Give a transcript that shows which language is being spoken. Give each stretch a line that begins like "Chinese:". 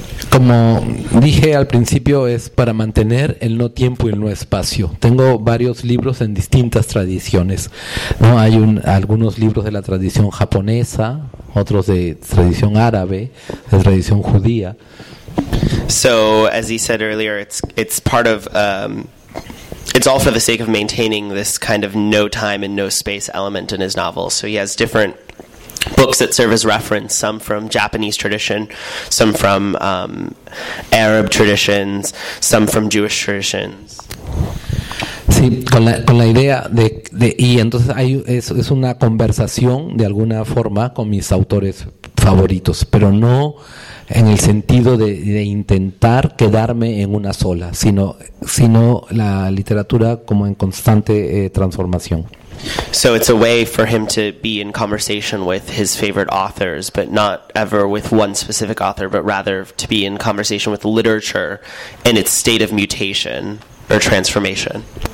Spanish: Como dije al principio, es para mantener el no tiempo y el no espacio. Tengo varios libros en distintas tradiciones. No hay algunos libros de la tradición japonesa, otros de tradición árabe, de tradición judía.
English: So, as he said earlier, it's part of it's all for the sake of maintaining this kind of no time and no space element in his novel. So he has different books that serve as reference, some from Japanese tradition, some from Arab traditions, some from Jewish traditions.
Spanish: Sí, con la idea de y entonces hay es una conversación de alguna forma con mis autores favoritos, pero no en el sentido de intentar quedarme en una sola, sino la literatura como en constante transformación.
English: So it's a way for him to be in conversation with his favorite authors, but not ever with one specific author, but rather to be in conversation with literature in its state of mutation or transformation.